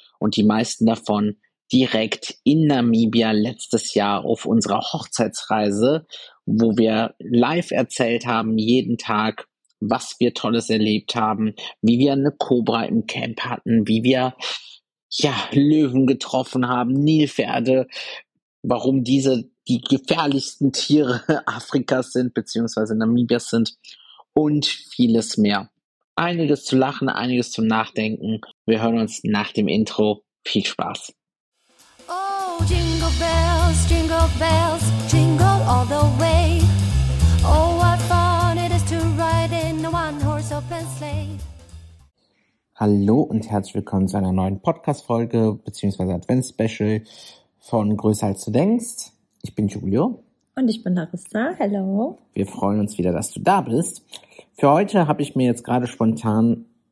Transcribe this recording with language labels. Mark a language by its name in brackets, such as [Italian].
[German] Und die meisten davon direkt in Namibia letztes Jahr auf unserer Hochzeitsreise, wo wir live erzählt haben, jeden Tag, was wir Tolles erlebt haben, wie wir eine Kobra im Camp hatten, wie wir, ja, Löwen getroffen haben, Nilpferde, warum diese die gefährlichsten Tiere Afrikas sind, beziehungsweise Namibias sind und vieles mehr. Einiges zu lachen, einiges zum Nachdenken. Wir hören uns nach dem Intro. Viel Spaß. [English] Oh, Jingle Bells, Jingle Bells, Jingle all the way. Oh, what fun it is to ride in a one-horse open sleigh. [German] Hallo und herzlich willkommen zu einer neuen Podcast-Folge, beziehungsweise Advents-Special. Von größer als du denkst. Ich bin Julio. Und ich bin Larissa. Hello. Wir freuen uns wieder, dass du da bist. Für heute habe ich mir jetzt gerade spontan.